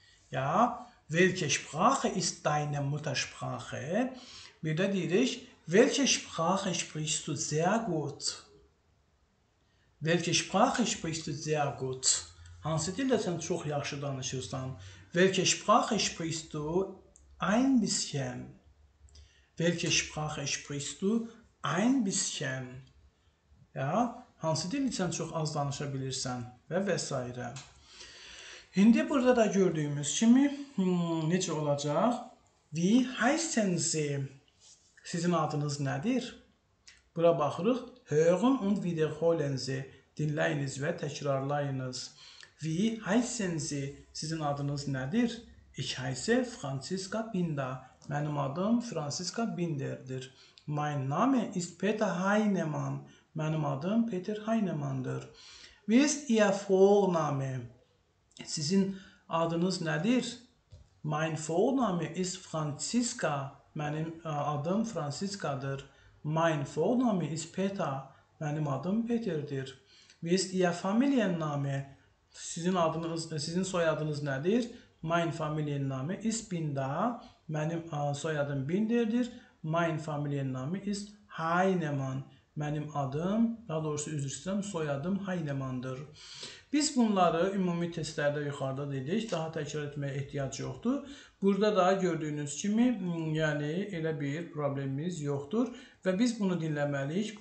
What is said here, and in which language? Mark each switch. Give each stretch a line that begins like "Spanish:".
German: Ja, welche Sprache ist deine Muttersprache?
Azerbaijani: Bir de deyirik,
German: welche Sprache sprichst du sehr gut? Welche Sprache sprichst du sehr gut?
Azerbaijani: Hansı dildə sən çox yaxşı danışırsan?
German: Welche Sprache sprichst du ein bisschen? Welche Sprache sprichst du ein bisschen?
Azerbaijani: Ja, hansı dil sən çox az danışabilirsən və vəsairə. İndi burada da gördüyümüz kimi necə olacaq?
German: Wie heißen Sie?
Azerbaijani: Sizin adınız nədir? Bura baxırıq.
German: Hören und wiederholen Sie.
Azerbaijani: Dinləyiniz və təkrarlayınız.
German: Wie heißen Sie?
Azerbaijani: Sizin adınız nədir?
German: Ich heiße Franziska Binder.
Azerbaijani: Mənim adım Franziska Binder'dir.
German: Mein Name ist Peter Heinemann.
Azerbaijani: Mənim adım Peter Heinemann'dır.
German: Wie ist Ihr Vorname?
Azerbaijani: Sizin adınız nədir?
German: Mein Vorname ist Franziska.
Azerbaijani: Mənim adım Franziska'dır.
German: Mein Vorname ist Peter.
Azerbaijani: Mənim adım Peter'dir.
German: Wie ist Ihr Familienname?
Azerbaijani: Sizin adınız, sizin soyadınız nədir?
German: Mein Familienname ist Binder.
Azerbaijani: Mənim soyadım Binder'dir.
German: Mein Familienname ist Heinemann.
Azerbaijani: Mənim adım, daha doğrusu üzr istəyirəm, soyadım Haynemandır. Biz bunları ümumi testlərdə yuxarıda dedik. Daha təkrar etməyə ehtiyac yoxdur. Burada da gördüyünüz kimi, yəni elə bir problemimiz yoxdur. Və biz bunu dinləməliyik.